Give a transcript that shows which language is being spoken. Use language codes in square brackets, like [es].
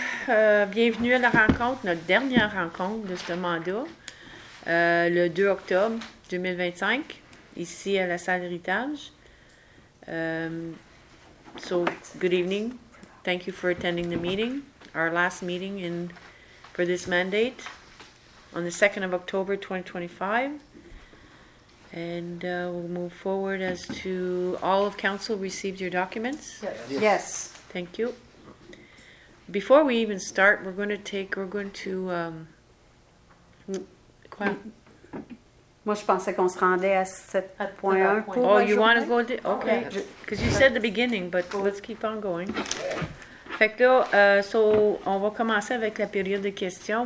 [fr] Bienvenue à la rencontre, notre dernière rencontre de ce mandat, le 2 octobre 2025, ici à la salle Héritage. [en] So, good evening. Thank you for attending the meeting, our last meeting in for this mandate on the 2nd of October 2025. And we'll move forward as to all of council received your documents. Yes. Thank you. Before we even start, we're going to. [fr] Moi, je pensais qu'on se rendait à 7.1. [en] Oh, you want to go? Okay. Because you said the beginning, but let's keep on going. [fr] Fait que là, so, on va commencer avec la période de questions.